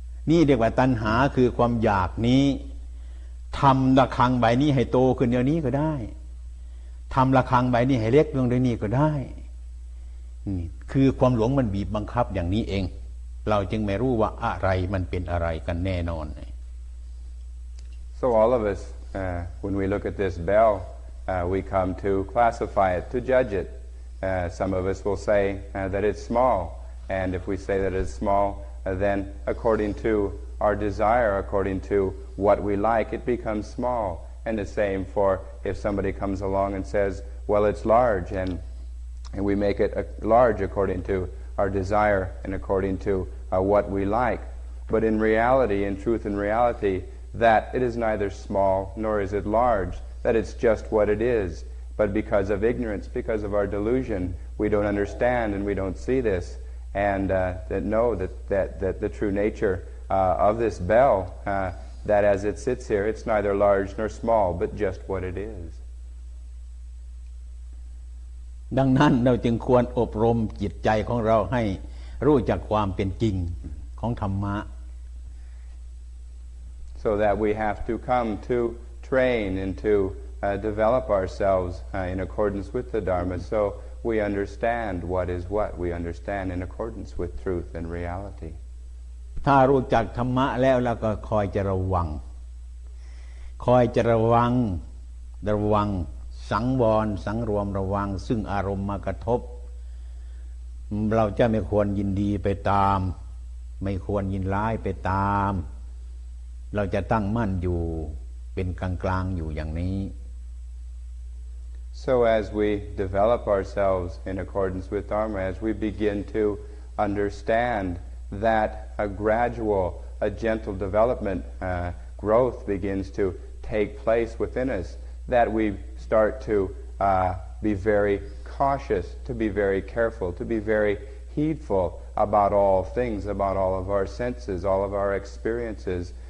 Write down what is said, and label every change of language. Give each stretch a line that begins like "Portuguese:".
Thai: นี่เรียกว่าตัณหาคือความอยากนี้ทำระฆังใบนี้ให้โตขึ้นเดี๋ยวนี้ก็ได้ทำระฆังใบนี้ให้เล็กลงเดี๋ยวนี้ก็ได้คือความหลงมันบีบบังคับอย่างนี้เองเราจึงไม่รู้ว่าอะไรมันเป็นอะไรกันแน่นอน
English: So all of us when we look at this bell we come to classify it to judge it some of us will say that it's small and if we say that it's small then according to our desire according to what we like it becomes small and the same for if somebody comes along and says well it's large and we make it large according to our desire and according to what we like. But in reality, in truth and reality, that it is neither small nor is it large, that it's just what it is. But because of ignorance, because of our delusion, we don't understand and we don't see this and that know that the true nature of this bell, that as it sits here, it's neither large nor small, but just what it is.
Thai: ดังนั้นเราจึงควรอบรมจิตใจของเราให้รู้จักความเป็นจริงของธรรมะ
English: so that we have to come to train and to develop ourselves in accordance with the Dharma so we understand what is what we understand in accordance with truth and reality
Thai: ถ้ารู้จักธรรมะแล้วเราก็คอยจะระวังคอยจะระวังระวังสังวรสังรวมระวังซึ่งอารมณ์มากระทบเราจะไม่ควรยินดีไปตามไม่ควรยินร้ายไปตามเราจะตั้งมั่นอยู่เป็นกลางๆอยู่อย่างนี้
English: So as we develop ourselves in accordance with Dharma as we begin to understand that a gradual a gentle development growth begins to take place within us that weStart to be very cautious, to be very careful, to be very heedful about all things, about all of our senses, all of our experiences.